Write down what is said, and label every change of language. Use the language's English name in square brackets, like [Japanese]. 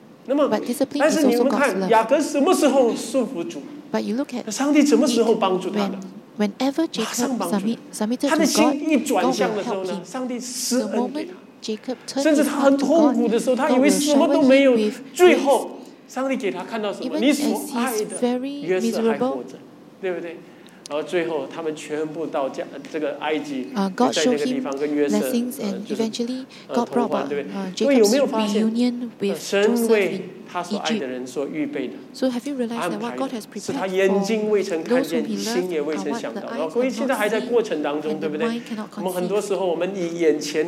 [English] But discipline is also God's love. But you look at whenever Jacob submitted to God, God will help him. The moment Jacob turned his heart to God, God will shower him with grace. Even as he's very miserable, [Chinese] 然后最后他们全部到这个埃及, [English] God showed him blessings, and eventually God brought about Jacob's reunion with Joseph in Egypt. So have you realized that what God has prepared for those whom he loved are what the eyes have not seen, and the mind cannot conceive.